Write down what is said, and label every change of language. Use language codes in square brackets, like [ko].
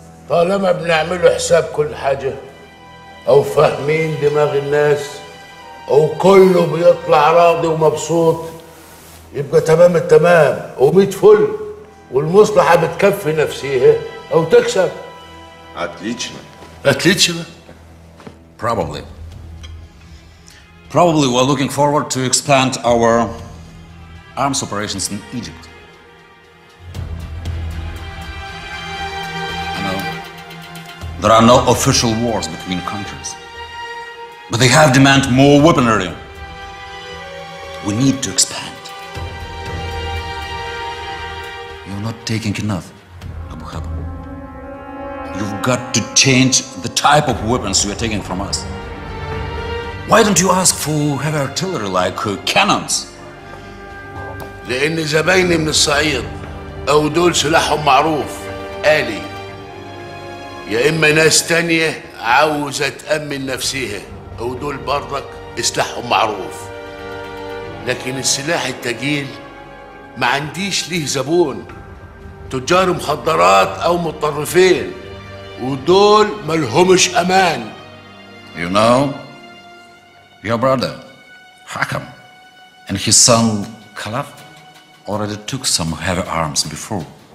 [ar] طالما بنعمله حساب كل حاجة أو فاهمين دماغ الناس أو كله بيطلع راضي ومبسوط يبقى تمام التمام وميت فل والمصلحة بتكفي نفسيها أو تكسب أتليتشنا أتليتشنا [en] Probably Probably we're looking forward to expand our arms operations in Egypt. There are no official wars between countries. But they have demand more weaponry. We need to expand. You're not taking enough, Abu Hab. You've got to change the type of weapons you are taking from us. Why don't you ask for heavy artillery like cannons? [ar] لأن زبايني من الصعيد أو دول سلاحهم معروف آلي. يا إما ناس تانية عاوزة تأمن نفسها أو دول برضك سلاحهم معروف لكن السلاح التقيل ما عنديش ليه زبون تجار مخدرات أو متطرفين ودول ملهمش أمان [en] You know your brother Hakam and his son Khalaf already took some heavy arms before